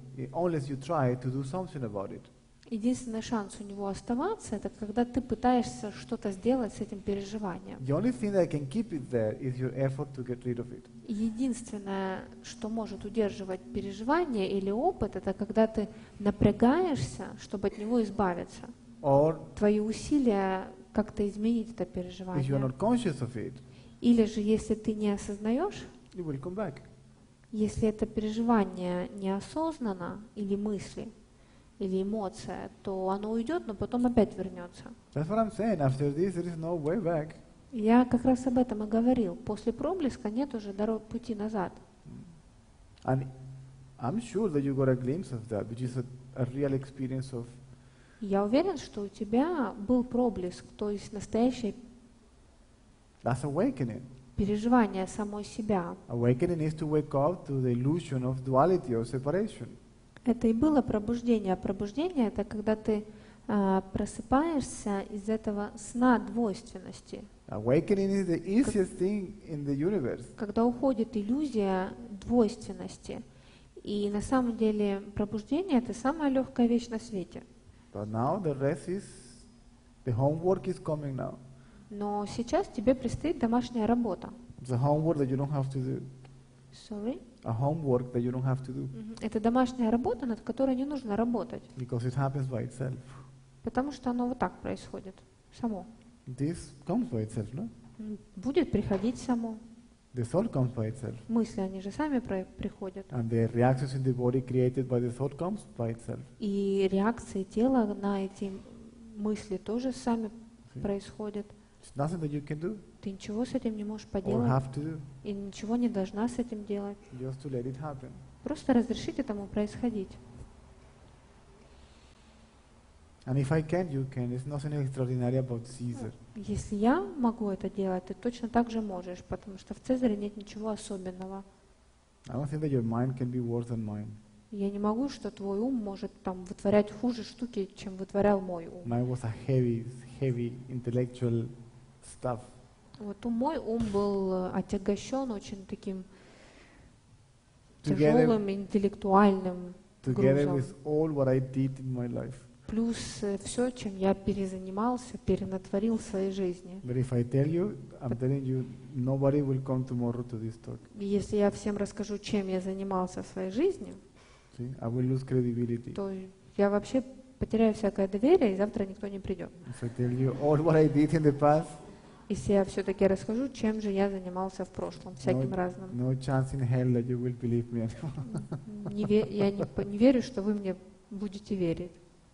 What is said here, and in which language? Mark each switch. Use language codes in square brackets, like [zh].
[en] Unless you try to do something about it. [ru] Единственный шанс у него оставаться, это когда ты пытаешься что-то сделать с этим переживанием. [en] The only thing that can keep it there is your effort to get rid of it. [ru] Единственное, что может удерживать переживание или опыт, это когда ты напрягаешься, чтобы от него избавиться. [en] Or [ru] твои усилия как-то изменить это переживание. [en] If you are not conscious of it, [ru] или же если ты не осознаешь, [en] it will come back. [ru] Если это переживание неосознанно или мысли, или эмоция, то оно уйдет, но потом опять вернется. [en] That's what I'm saying. After this, there is no way back. [ru] Я как раз об этом и говорил. После проблеска нет уже дороги, пути назад. [en] And I'm sure that you got a glimpse of that, which is a real experience of. [ru] Я уверен, что у тебя был проблеск, то есть настоящее. [en] That's awakening. [ru] Переживание самой себя. [en] Awakening is to wake up to the illusion of duality or separation. [ru] Это и было пробуждение. Пробуждение — это когда ты просыпаешься из этого сна двойственности. [en] Awakening is the easiest thing in the universe. [ru] Когда уходит иллюзия двойственности. И на самом деле пробуждение — это самая легкая вещь на свете. [en] But now the rest is, the homework is coming now. [ru] Но сейчас тебе предстоит домашняя работа. [en] The homework that you don't have to do. Sorry? A homework that you don't have to do. Mm-hmm. [ru] Это домашняя работа, над которой не нужно работать. [en] Because it happens by itself. [ru] Потому что оно вот так происходит само. [en] This comes by itself, no? [ru] Будет приходить само. [en] The thought comes by itself. [ru] Мысли, они же сами приходят. [en] And the reactions in the body created by the thought comes by itself. [ru] И реакции тела на эти мысли тоже сами происходят. [en] It's nothing that you can do. [ru] Ты ничего с этим не можешь поделать. [en] Or have to do. [ru] И ничего не должна с этим делать. [en] Just to let it happen. [ru] Просто разрешить этому происходить. [en] And if I can, you can. It's nothing extraordinary about Caesar. [ru] Если я могу это делать, ты точно так же можешь, потому что в Цезаре нет ничего особенного. [en] I don't think that your mind can be worse than mine. [ru] Я не могу, что твой ум может там вытворять хуже штуки, чем вытворял мой ум. [en] Mine was a heavy, heavy intellectual stuff. [ru] Вот мой ум был отягощен очень таким тяжелым интеллектуальным грузом. [en] With all what I did in my life. [ru] Плюс все, чем я перезанимался, перенатворил в своей жизни. [en] But if I tell you, I'm telling you, nobody will come tomorrow to this talk. [ru] Если я всем расскажу, чем я занимался в своей жизни, [en] I will lose credibility. [ru] То я вообще потеряю всякое доверие, и завтра никто не придет. [en] If I tell you all what I did in the past, [ru] если я все-таки расскажу, чем же я занимался в прошлом, всяким разным. [en] No chance in hell that you will believe me. [ru] Я не верю, что вы мне будете верить.